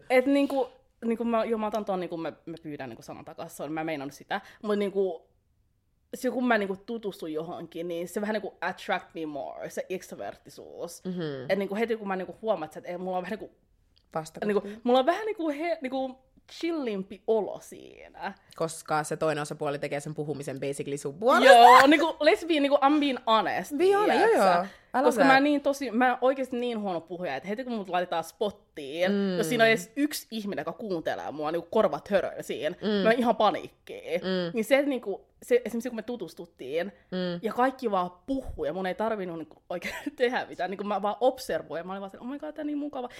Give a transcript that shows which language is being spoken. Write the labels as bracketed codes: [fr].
[fi] Et niinku mä otan ton, niinku mä pyydän niinku sanan takaisin, mä meinan sitä, mut niinku silloin kun mä niinku tutustun johonkin, niin se vähän niinku [en] attract me more, [fi] se extrovertisuus. Mm-hmm. Että niinku heti kun mä niinku huomaat, että mulla on vähän niinku vastakohta. Niinku, mulla on vähän niinku, niinku chillimpi olo siinä. Koska se toinen osapuoli tekee sen puhumisen basically sun puolesta. [en] Joo, niinku, let's be, niinku, I'm being honest. Be honest, joo joo. [fi] Koska mä niin tosi, mä oikeasti niin huono puhuja, että heti kun mut laitetaan spottiin, jos siinä on edes yksi ihminen, joka kuuntelee mua, niinku korvat höröillä siinä, mä ihan paniikkiin. Niin se, että niinku, se, esimerkiksi kun me tutustuttiin, ja kaikki vaan puhui, ja mun ei tarvinnut niinku oikein tehdä mitään, niin mä vaan observoin, ja mä olin vaan sen, [en] oh my god, [fi] tää on niin mukava.